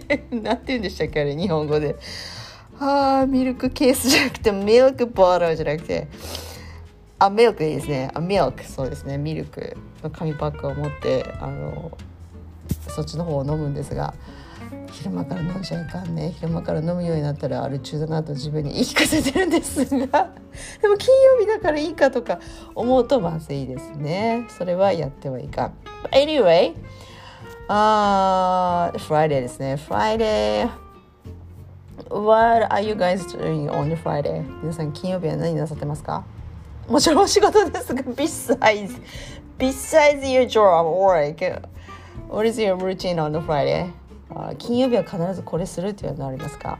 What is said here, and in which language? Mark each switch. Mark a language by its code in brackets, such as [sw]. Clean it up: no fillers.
[ja] なんて言うんでしたっけ、あれ日本語で、あ、ミルクケースじゃなくてミルクボトルじゃなくて、あ、ミルクでいいですね、あ、ミルク、そうですね、ミルクの紙パックを持って、あのそっちの方を飲むんですが、昼間から飲んじゃいかんね、昼間から飲むようになったらアル中だなと自分に言い聞かせてるんですが、でも金曜日だからいいかとか思うとまずいですね、それはやってはいかん。 [en] But anyway、Friday [ja] ですね。 [en] Friday, what are you guys doing on Friday? [ja] 皆さん金曜日は何なさってますか。もちろんお仕事ですが、 [en] besides your job work, what is your routine on Friday? [ja] 金曜日は必ずこれするっていうのありますか。